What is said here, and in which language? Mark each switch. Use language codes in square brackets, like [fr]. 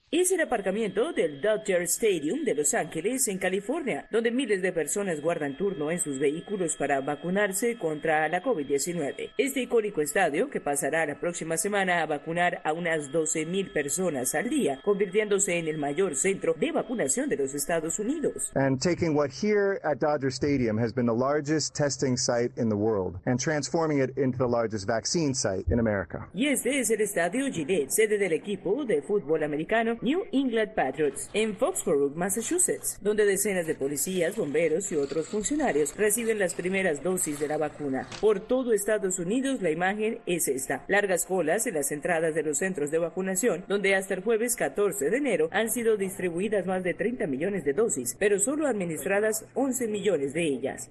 [es] Es el aparcamiento del Dodger Stadium de Los Ángeles, en California, donde miles de personas guardan turno en sus vehículos para vacunarse contra la COVID-19. Este icónico estadio, que pasará la próxima semana a vacunar a unas 12.000 personas al día, convirtiéndose en el mayor centro de vacunación de los Estados Unidos. [en] And taking what here at Dodger Stadium has been the largest testing site in the world and transforming it into the largest vaccine site in America. [es] Y este es el estadio Gillette, sede del equipo de fútbol americano New England Patriots, en Foxborough, Massachusetts, donde decenas de policías, bomberos y otros funcionarios reciben las primeras dosis de la vacuna. Por todo Estados Unidos, la imagen es esta. Largas colas en las entradas de los centros de vacunación, donde hasta el jueves 14 de enero han sido distribuidas más de 30 millones de dosis, pero solo administradas 11 millones de ellas.